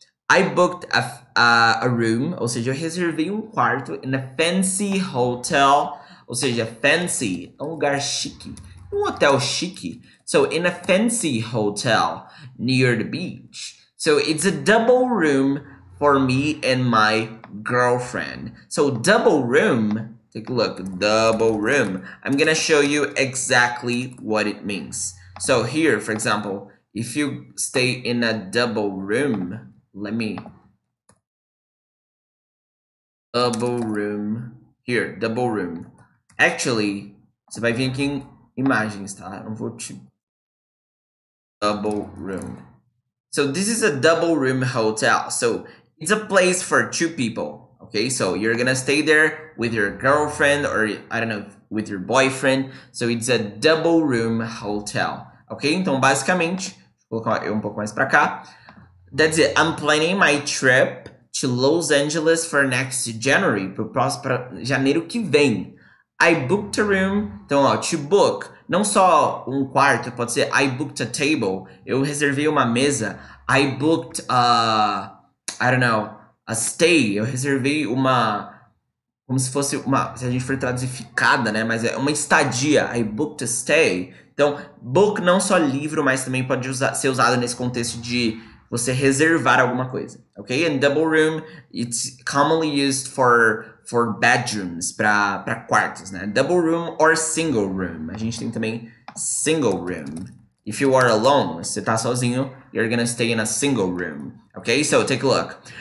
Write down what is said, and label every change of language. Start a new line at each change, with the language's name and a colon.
English: I booked a room,
Portuguese: ou seja, eu reservei um quarto
English: in a fancy hotel,
Portuguese: ou seja, fancy, um lugar chique, um hotel chique.
English: So in a fancy hotel near the beach. So it's a double room for me and my girlfriend. So double room, take a look, double room. I'm gonna show you exactly what it means. So here, for example, if you stay in a double room, let me, double room, here, double room. Actually,
Portuguese: você vai vir aqui em imagens, tá? Eu vou te, double room.
English: So this is a double room hotel. So it's a place for two people, okay? So you're gonna stay there with your girlfriend or, I don't know, with your boyfriend. So it's a double room hotel, ok?
Portuguese: Então, basicamente, vou colocar um pouco mais pra cá.
English: That's it. I'm planning my trip to Los Angeles for next January,
Portuguese: pro próximo janeiro que vem.
English: I booked a room.
Portuguese: Então, ó,
English: to book.
Portuguese: Não só um quarto, pode ser
English: I booked a table.
Portuguese: Eu reservei uma mesa.
English: I booked a. I don't know, a stay,
Portuguese: eu reservei uma, como se fosse uma, se a gente for traduzir ficada, né? Mas é uma estadia,
English: I booked a stay.
Portuguese: Então, book não só livro, mas também pode usar, ser usado nesse contexto de você reservar alguma coisa, ok?
English: And double room, it's commonly used for bedrooms,
Portuguese: para quartos, né?
English: Double room or single room,
Portuguese: a gente tem também
English: single room. If you are alone,
Portuguese: você tá sozinho,
English: you're gonna stay in a single room. Okay, so take a look.